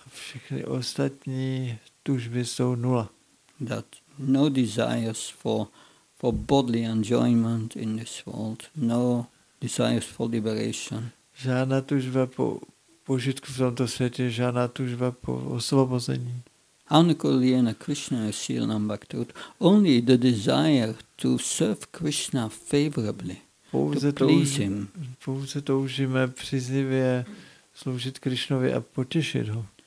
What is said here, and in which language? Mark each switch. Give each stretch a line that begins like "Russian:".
Czech: Všechny ostatní tužby jsou nula.
English: That no desires for bodily enjoyment in this world. No desires for liberation.
Czech: Žádná tužba po požitku v tomto světě, žádná tužba po osvobození.
Sanskrit: Anukuljena Krishna silnam bhaktut.
English: Only the desire to serve Krishna favorably, to please him.
Czech: Pouze toužíme příznivě sloužit Krishnovi a potěšit ho.